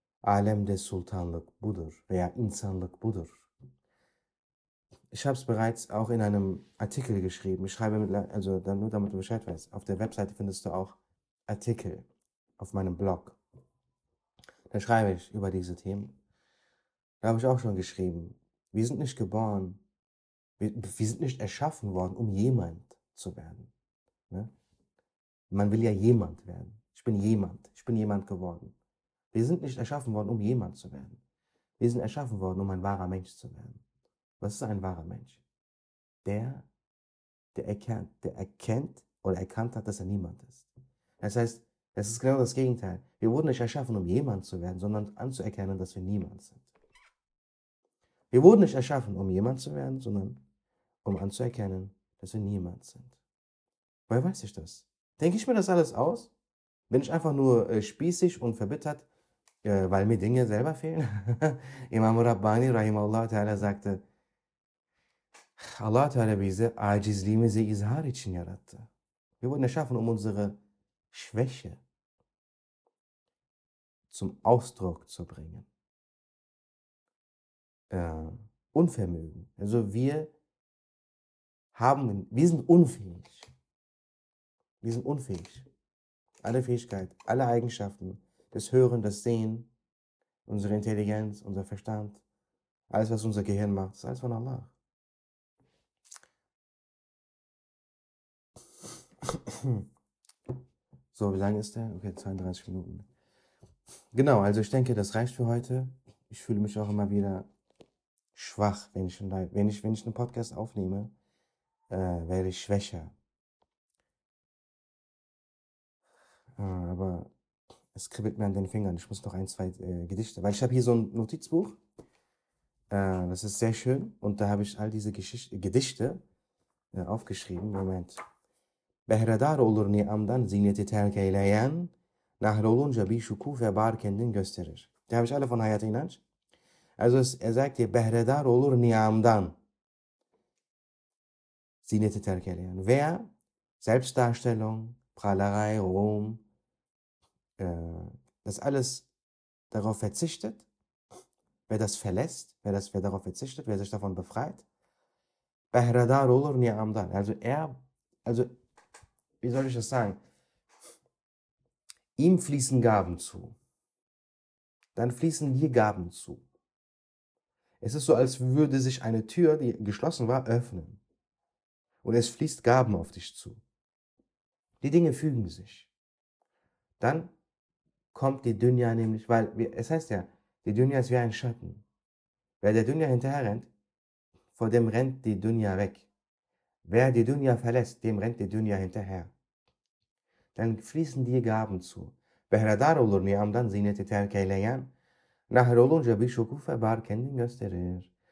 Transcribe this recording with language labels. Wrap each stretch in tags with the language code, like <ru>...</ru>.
<tr>Alemde Sultanlık budur. Veya insanlık budur.</tr> <de>Ich habe es bereits auch in einem Artikel geschrieben. Ich schreibe also dann nur damit du Bescheid weißt. Auf der Webseite findest du auch Artikel auf meinem Blog. Da schreibe ich über diese Themen. Da habe ich auch schon geschrieben. Wir sind nicht geboren, wir sind nicht erschaffen worden, um jemand zu werden. Ne? Man will ja jemand werden. Ich bin jemand. Ich bin jemand geworden. Wir sind nicht erschaffen worden, um jemand zu werden. Wir sind erschaffen worden, um ein wahrer Mensch zu werden. Was ist ein wahrer Mensch? Der erkennt oder erkannt hat, dass er niemand ist. Das heißt, es ist genau das Gegenteil. Wir wurden nicht erschaffen, um jemand zu werden, sondern anzuerkennen, dass wir niemand sind. Wir wurden nicht erschaffen, um jemand zu werden, sondern um anzuerkennen, dass wir niemand sind. Woher weiß ich das? Denke ich mir das alles aus? Bin ich einfach nur spießig und verbittert, weil mir Dinge selber fehlen?</de> <tr>Imam Rabbani, Rahimahullah Teala,</tr> <de>sagte,</de> <tr>Allah Teala bizi acizliğimizi izhar için yarattı.</tr> <de>Wir wurden erschaffen, um unsere Schwäche zum Ausdruck zu bringen. Unvermögen. Also wir sind unfähig. Wir sind unfähig. Alle Fähigkeit, alle Eigenschaften, das Hören, das Sehen, unsere Intelligenz, unser Verstand, alles, was unser Gehirn macht, ist alles von Allah. So, wie lange ist der? Okay, 32 Minuten. Genau, also ich denke, das reicht für heute. Ich fühle mich auch immer wieder schwach, wenn ich einen Podcast aufnehme, werde ich schwächer. Aber es kribbelt mir an den Fingern. Ich muss noch ein, zwei Gedichte. Weil ich habe hier so ein Notizbuch. Das ist sehr schön. Und da habe ich all diese Gedichte aufgeschrieben. Moment.</de> <tr>Behredar olur ni'amdan zineti terk eyleyen, nahr olunca bir şukufe bar kendin gösterir.</tr> <de>Da habe ich alle von Hayat İnanç. Also er sagt hier,</de> <tr>behredar olur ni'amdan zineti terk eyleyen. Veya</tr> <de>Selbstdarstellung, Prahlerei, Ruhm, das alles darauf verzichtet, wer das verlässt, wer darauf verzichtet, wer sich davon befreit,</de> <tr>Behredar olur ni'amdan.</tr> <de>Also, wie soll ich das sagen? Ihm fließen Gaben zu. Dann fließen dir Gaben zu. Es ist so, als würde sich eine Tür, die geschlossen war, öffnen. Und es fließt Gaben auf dich zu. Die Dinge fügen sich. Dann kommt die Dünya nämlich, es heißt ja, die Dünya ist wie ein Schatten. Wer der Dünya hinterher rennt, vor dem rennt die Dünya weg. Wer die Dünya verlässt, dem rennt die Dünya hinterher. Dann fließen dir Gaben zu.</de> <tr>Behredar olur ni'amdan zineti terk eyleyen, nahr olunca bir şukufe bar kendin gösterir.</tr>